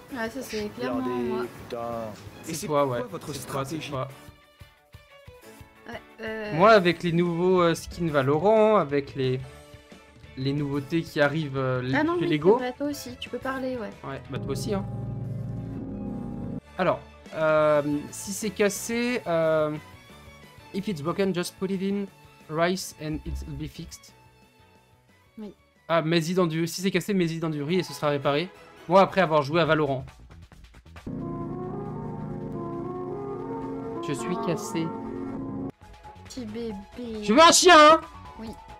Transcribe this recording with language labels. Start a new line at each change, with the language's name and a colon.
French: Ah, ça, c'est clairement moi. C'est et c'est quoi, ouais. Votre c'est stratégie ouais, Moi, avec les nouveaux skins Valorant, avec les... Les nouveautés qui arrivent chez Lego. Ah non, Lego. C'est vrai, toi aussi, tu peux parler, ouais. Ouais, bah toi aussi, hein. Alors, si c'est cassé,
English: if it's broken, just put it in rice and it'll be fixed.
French: Oui. Ah, mets-y dans du... Si c'est cassé, mets-y dans du riz et ce sera réparé. Moi, après avoir joué à Valorant. Je suis cassé. Petit bébé. Tu veux un chien, hein? Oui.